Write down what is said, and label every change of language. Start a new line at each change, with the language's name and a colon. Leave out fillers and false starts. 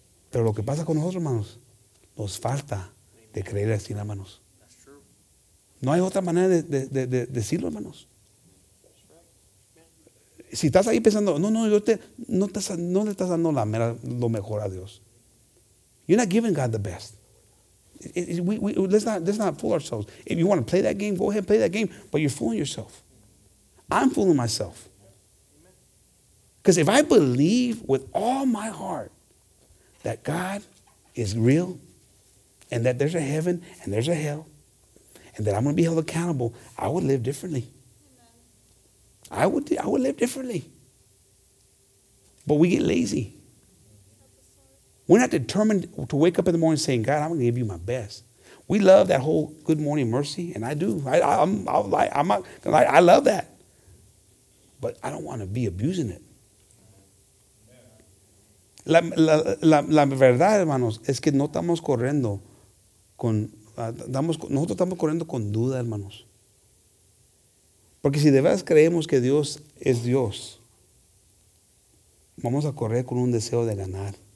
Spanish: Pero lo que pasa con nosotros, hermanos, nos falta de creer así, hermanos. No hay otra manera de decirlo, hermanos. Si estás ahí pensando, no le estás dando lo mejor a Dios.
English: You're not giving God the best. Let's not fool ourselves. If you want to play that game, go ahead and play that game. But you're fooling yourself. I'm fooling myself. Because if I believe with all my heart that God is real and that there's a heaven and there's a hell and that I'm going to be held accountable, I would live differently. I would live differently. But we get lazy. We're not determined to wake up in the morning saying, God, I'm going to give you my best. We love that whole good morning mercy, and I do. I love that. But I don't want to be abusing it.
Spanish: La verdad, hermanos, es que nosotros estamos corriendo con duda, hermanos. Porque si de verdad creemos que Dios es Dios, vamos a correr con un deseo de ganar.